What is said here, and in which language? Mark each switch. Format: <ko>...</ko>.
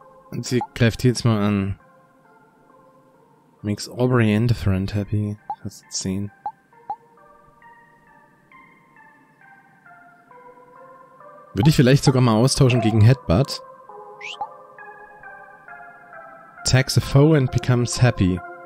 <de>Und sie greift jetzt mal an.</de> <en>Makes Aubrey and a friend happy.</en> <de>Das 10. Würde ich vielleicht sogar mal austauschen gegen Headbutt.</de> <en>Attacks a foe and becomes happy.</en>